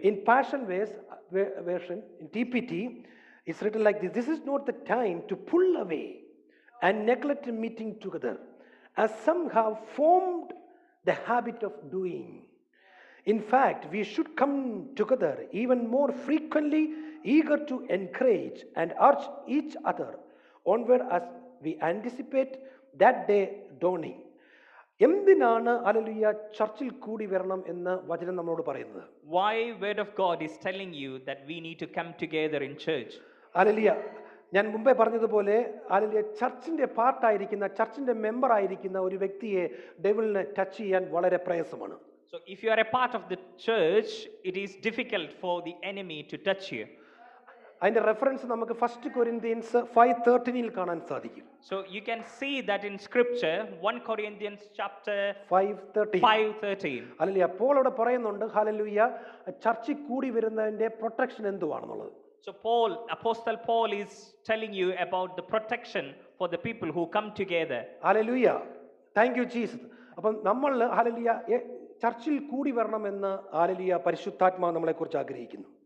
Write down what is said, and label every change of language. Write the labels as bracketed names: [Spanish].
[English] In Passion version, in TPT, it's written like this. This is not the time to pull away and neglect meeting together, as some have formed the habit of doing. In fact, we should come together even more frequently, eager to encourage and urge each other onward as we anticipate that day dawning. [Malayalam] എന്തിനാണ് hallelujah ചർച്ചിൽ കൂടി വരണം എന്ന് വചനം നമ്മളോട് പറയുന്നത്? [English] Why word of God is telling you that we need to come together in church? [Malayalam] Hallelujah, ഞാൻ മുമ്പേ പറഞ്ഞതുപോലെ ഹല്ലേലൂയ ചർച്ചിന്റെ പാർട്ട് ആയിരിക്കുന്ന ചർച്ചിന്റെ മെമ്പർ ആയിരിക്കുന്ന ഒരു വ്യക്തിയെ ഡെവിളിനെ ടച്ച് ചെയ്യാൻ വളരെ പ്രയാസമാണ്. [English] So if you are a part of the church, it is difficult for the enemy to touch you. [Malayalam] അതിന്റെ റെഫറൻസ് നമുക്ക് 1 Corinthians 5:13 കാണാൻ സാധിക്കും. [English] So you can see that in scripture 1 Corinthians 5:13. [Malayalam] Hallelujah, പോളോട് പറയുന്നുണ്ട് ഹല്ലേലൂയ ചർച്ചി കൂടി വരുന്നതിന്റെ protection എന്തുവാണെന്നുള്ളത്. [English] So Paul, apostle Paul is telling you about the protection for the people who come together. Hallelujah, thank you Jesus. [Malayalam] അപ്പോൾ നമ്മൾ hallelujah ചർച്ചിൽ കൂടി വരണമെന്ന് hallelujah പരിശുദ്ധാത്മാവ് നമ്മളെക്കുറിച്ച് ആഗ്രഹിക്കുന്നു.